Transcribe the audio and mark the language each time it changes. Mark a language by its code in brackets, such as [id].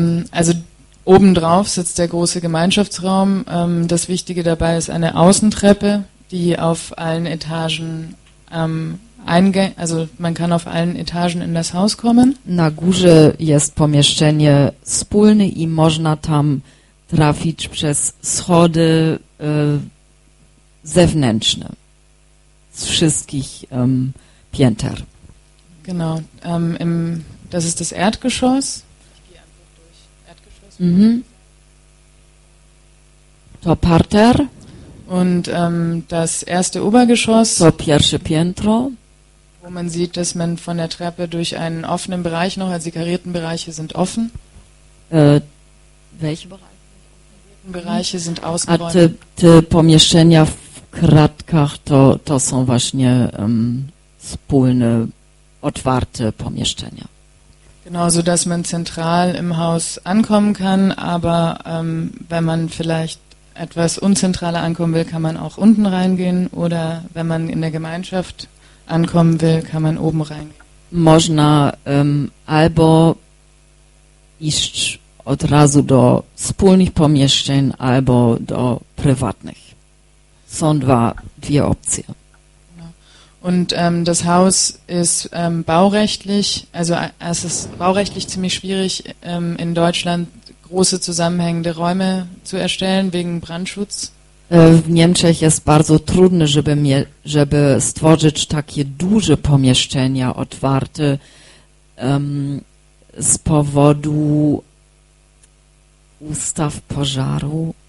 [de] Also obendrauf sitzt der große Gemeinschaftsraum. Das Wichtige dabei ist eine Außentreppe, die auf allen Etagen also man kann auf allen Etagen in das Haus kommen. [pl] Na górze jest pomieszczenie wspólne i można tam trafić przez schody zewnętrzne. Z wszystkich pięter. [de] Genau, das ist das Erdgeschoss. [pl] To parter. [de] Und das erste Obergeschoss. [pl] To pierwsze piętro. [de] Wo man sieht, dass man von der Treppe durch einen offenen Bereich noch, also die karierten Bereiche sind offen. Welche Bereiche? Die karierten Bereiche sind ausgeräumt. [pl] A te pomieszczenia w kratkach to są właśnie wspólne, otwarte pomieszczenia. [de] Genau, so dass man zentral im Haus ankommen kann, aber wenn man vielleicht etwas unzentraler ankommen will, kann man auch unten reingehen oder wenn man in der Gemeinschaft ankommen will, kann man oben rein. [pl] Można albo iść od razu do wspólnych pomieszczeń, albo do prywatnych. Są dwie opcje. [de] Und das Haus ist baurechtlich, also es ist baurechtlich ziemlich schwierig in Deutschland große zusammenhängende Räume zu erstellen wegen Brandschutz. [pl] W Niemczech jest bardzo trudne, żeby stworzyć takie duże pomieszczenia otwarte z powodu ustaw pożaru.